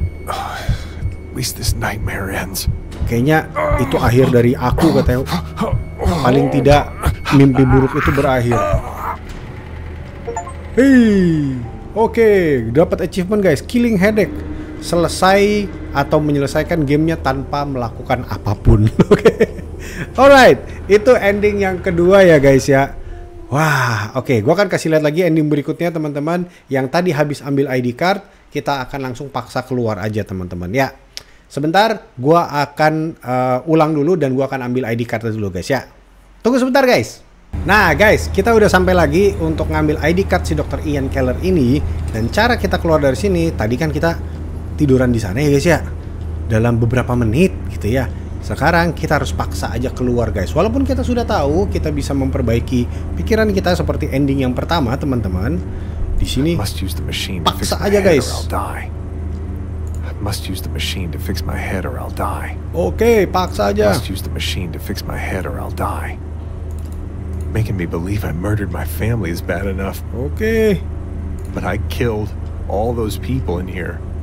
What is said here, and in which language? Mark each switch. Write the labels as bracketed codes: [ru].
[en] At least this nightmare ends. [id] Kayaknya itu akhir dari aku katanya. Paling tidak mimpi buruk itu berakhir. Hey, oke, okay. Dapat achievement guys, Killing Headache. Selesai atau menyelesaikan gamenya tanpa melakukan apapun. Oke. Alright, itu ending yang kedua ya guys ya. Wah, oke, okay. Gua akan kasih lihat lagi ending berikutnya teman-teman. Yang tadi habis ambil ID card, kita akan langsung paksa keluar aja teman-teman ya. Sebentar, gua akan ulang dulu dan gua akan ambil ID card dulu guys ya. Tunggu sebentar guys. Nah guys, kita udah sampai lagi untuk ngambil ID card si Dr. Ian Keller ini. Dan cara kita keluar dari sini, tadi kan kita tiduran di sana ya guys ya, dalam beberapa menit gitu ya. Sekarang kita harus paksa aja keluar guys. Walaupun kita sudah tahu kita bisa memperbaiki pikiran kita seperti ending yang pertama teman-teman. Di sini paksa aja guys. [en] Must use the machine to fix my head or I'll die. [id] Okay, paksa aja. [en] Must use the machine to fix my head or I'll die. Making me believe I murdered my family is bad enough. Okay. But I killed all those people in here.